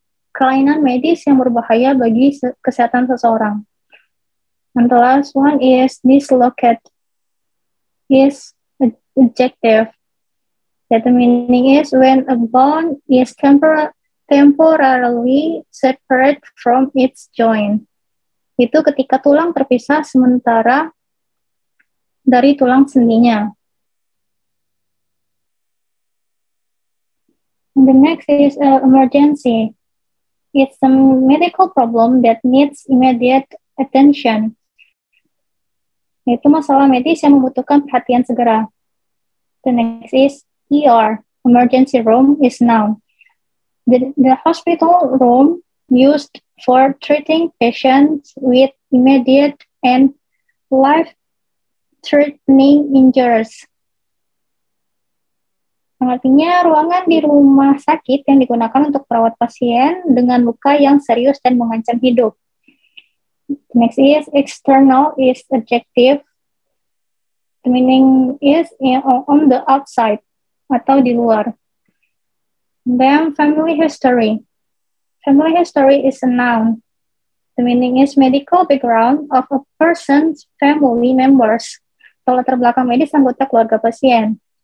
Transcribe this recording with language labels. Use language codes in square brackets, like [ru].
[id] Kelainan medis yang berbahaya bagi kesehatan seseorang. [en] And the last one is dislocate is adjective. That the meaning is when a bone is temporarily separate from its joint. [id] Itu ketika tulang terpisah sementara dari tulang sendinya. [en] And the next is emergency. It's a medical problem that needs immediate attention. [id] Itu masalah medis yang membutuhkan perhatian segera. [en] The next is ER, emergency room is noun. The hospital room used for treating patients with immediate and life threatening injuries. [id] Artinya ruangan di rumah sakit yang digunakan untuk perawat pasien dengan luka yang serius dan mengancam hidup. [en] Next is external is adjective. The meaning is on the outside [id] atau di luar. [en] Then family history. Family history is a noun. The meaning is medical background of a person's family members. [id] Latar belakang medis anggota keluarga pasien.